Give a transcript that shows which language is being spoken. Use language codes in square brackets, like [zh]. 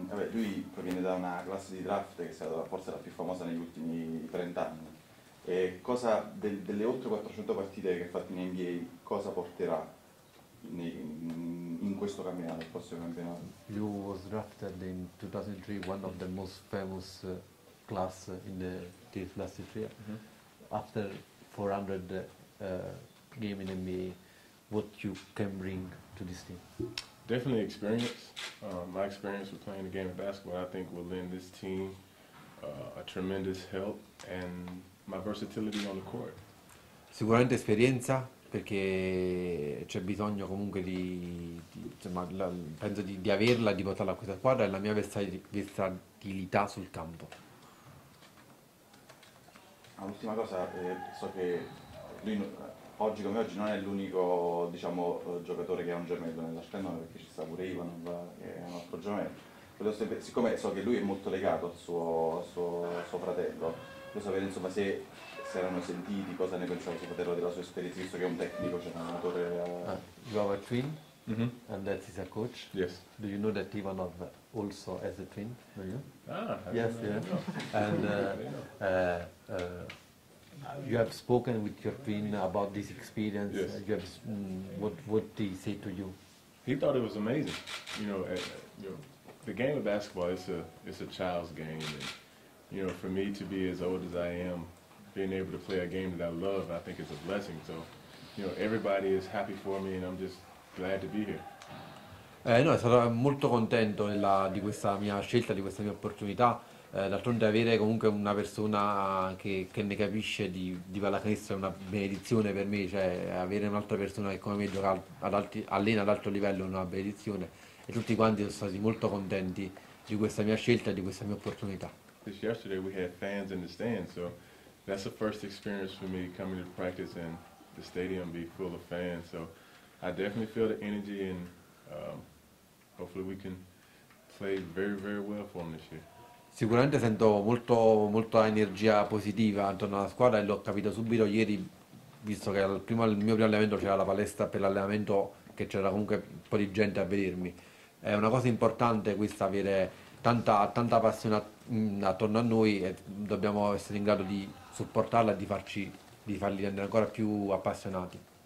[it] Lui proviene da una classe di draft che è stata forse la più famosa negli ultimi 30 anni. Cosa delle oltre 400 partite che ha fatto in NBA, cosa porterà in questo campionato, il prossimo campionato? [en] Lui was drafted in 2003, one of the most famous class in the last year. Mm-hmm. After 400 game in NBA, what you can bring to this team? Definitely experience. My experience with playing the game of basketball, I think, will lend this team a tremendous help, and my versatility on the court. [it] Sicuramente esperienza, perché c'è bisogno comunque di averla, di portarla a questa squadra, e la mia versatilità sul campo. Ultima cosa, so che lui oggi come oggi non è l'unico, diciamo, giocatore che ha un gemello nella scannone, perché ci sta pure Ivan, che è un altro gemello. Volevo sapere, siccome so che lui è molto legato al suo fratello, volevo sapere, insomma, se erano sentiti, cosa ne pensava suo fratello della sua esperienza, visto che è un tecnico, cioè un allenatore. [en] You have a twin, mm-hmm. and that is a coach. Yes. Do you know that Ivan also has a twin? Do you? Ah, yes, I don't know. And you have spoken with your twin about this experience. Yes. You have, what did he say to you? He thought it was amazing. You know, the game of basketball is a child's game, and you know, for me to be as old as I am, being able to play a game that I love, I think it's a blessing. So, you know, everybody is happy for me, and I'm just glad to be here. [it] No, è stato molto contento di questa mia scelta, di questa mia opportunità. D'altronde avere comunque una persona che ne capisce di pallacanestro è una benedizione per me, cioè avere un'altra persona che come me gioca allena ad alto livello è una benedizione, e tutti quanti sono stati molto contenti di questa mia scelta e di questa mia opportunità. [en] This yesterday we had fans in the stands, so that's the first experience for me coming to practice and the stadium be full of fans, so I definitely feel the energy and hopefully we can play very very well for them this year. [it] Sicuramente sento molto molta energia positiva intorno alla squadra, e l'ho capito subito ieri, visto che il mio primo allenamento c'era la palestra per l'allenamento, che c'era comunque un po' di gente a vedermi. È una cosa importante questa, avere tanta passione attorno a noi, e dobbiamo essere in grado di supportarla e di farli rendere ancora più appassionati.